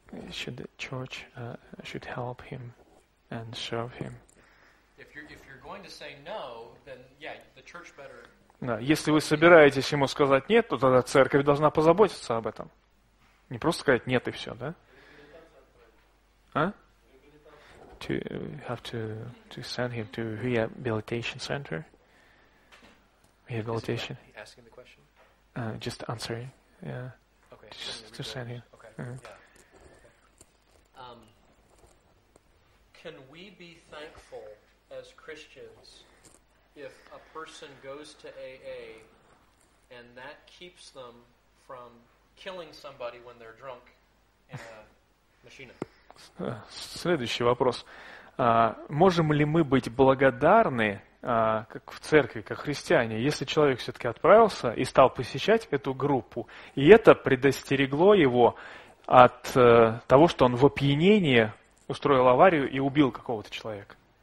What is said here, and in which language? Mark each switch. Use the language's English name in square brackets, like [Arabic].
[English] Should the church should help him and serve him? If you're going to say no, then yeah, the church better. [Russian] Да, если вы собираетесь ему сказать нет, то тогда церковь должна позаботиться об этом. Не просто сказать нет и все, да? [English] А? To have to send him to rehabilitation center. Rehabilitation. Asking the question. Just answering. Yeah. Okay. Just to send him. Okay. Mm-hmm. Can we be thankful as Christians if a person goes to AA and that keeps them from killing somebody when they're drunk in a machine? [Russian] Следующий вопрос. Можем ли мы быть благодарны, как в церкви, как христиане, если человек все-таки отправился и стал посещать эту группу, и это предостерегло его от того, что он в опьянении устроил аварию и убил какого-то человека?